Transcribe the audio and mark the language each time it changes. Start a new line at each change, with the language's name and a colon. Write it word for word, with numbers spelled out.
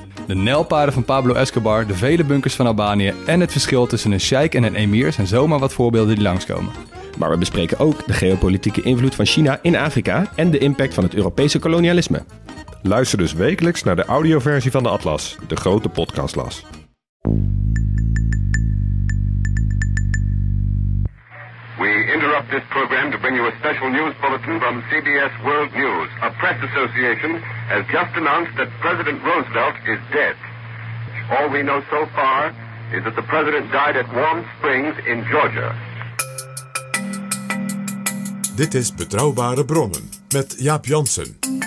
Dutch: De nijlpaarden van Pablo Escobar, de vele bunkers van Albanië en het verschil tussen een sheik en een emir zijn zomaar wat voorbeelden die langskomen. Maar we bespreken ook de geopolitieke invloed van China in Afrika en de impact van het Europese kolonialisme. Luister dus wekelijks naar de audioversie van de Atlas, de Grote Podcastlas.
English: We interrupt this program to bring you a special news bulletin from C B S World News. A press association has just announced that President Roosevelt is dead. All we know so far is that the president died at Warm Springs in Georgia.
Dutch: Dit is Betrouwbare Bronnen met Jaap Janssen.